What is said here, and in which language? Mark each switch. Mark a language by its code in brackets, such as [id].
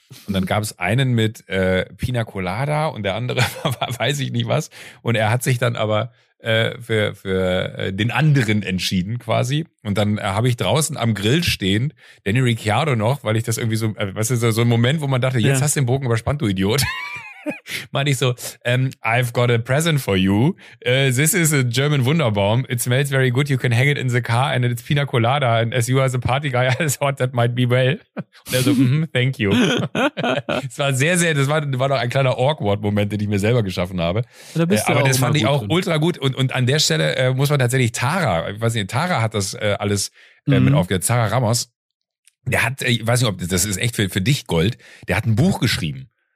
[de] Und dann gab es einen mit Pina Colada und der andere war weiß ich nicht was. Und er hat sich dann aber für den anderen entschieden quasi. Und dann habe ich draußen am Grill stehend Daniel Ricciardo noch, weil ich das irgendwie so, so ein Moment, wo man dachte, jetzt hast du den Bogen überspannt, du Idiot. Meine ich so, [en] I've got a present for you. This is a German Wunderbaum. It smells very good. You can hang it in the car and it's Pina Colada. And as you are the party guy, I thought that might be well. [de] Und er so, [en] thank you. [de] Es war sehr, sehr, das war noch ein kleiner Awkward-Moment, den ich mir selber geschaffen habe. Da bist du aber auch das fand ich auch ultra gut. Und an der Stelle muss man tatsächlich Tara hat das alles mit aufgehört. Tara Ramos, der hat, ich weiß nicht, ob das ist echt für dich Gold, der hat ein Buch geschrieben.